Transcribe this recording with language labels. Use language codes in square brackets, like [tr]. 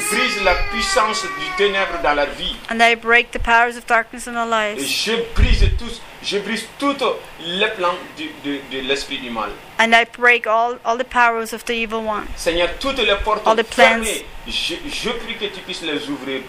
[fr] Je brise la puissance du ténèbre dans leur vie. [en] And I break the powers of darkness in their lives. [fr] Et je brise tout le plan de l'esprit du mal. [en] And I break all the powers of the evil one. [fr] Seigneur, toutes les portes [en] all the plans, [fr] fermées, je prie que tu puisses les ouvrir.